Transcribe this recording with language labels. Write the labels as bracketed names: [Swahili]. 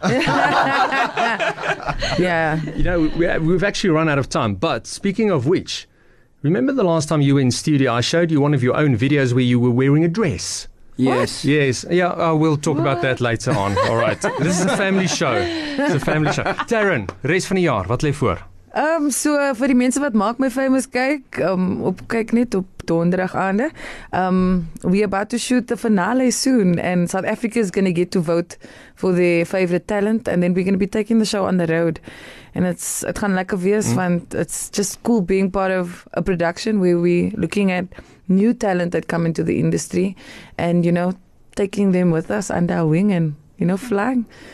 [English] Yeah. You know, we've actually run out of time. But speaking of which, remember the last time you were in studio, I showed you one of your own videos where you were wearing a dress. Yes. What? Yes. Yeah, we'll talk about that later on. All right. This is a family show. It's a family show. Darren, [Afrikaans] res van die jaar, wat lê voor? So vir die mense wat maak my famous kyk, op kyk net op donderdag aande. [English] We are about to shoot the finale soon and South Africa is going to get to vote for their favorite talent and then we're going to be taking the show on the road. And it [Afrikaans] gaan lekker wees [English] want it's just cool being part of a production where we looking at new talent that come into the industry and you know taking them with us under our wing and you know flying.